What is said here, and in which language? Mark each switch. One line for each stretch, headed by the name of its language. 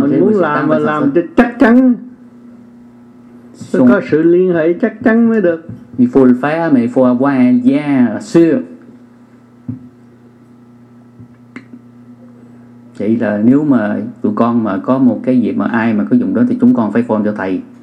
Vietnamese: Mình muốn làm mà làm cho chắc chắn, có sự liên hệ chắc chắn mới được.
French: Il faut le faire, mais il faut avoir un lien sûr.
Vietnamese: Chỉ là nếu mà tụi con mà có một cái việc mà ai mà có dùng đó thì chúng con phải phone cho thầy.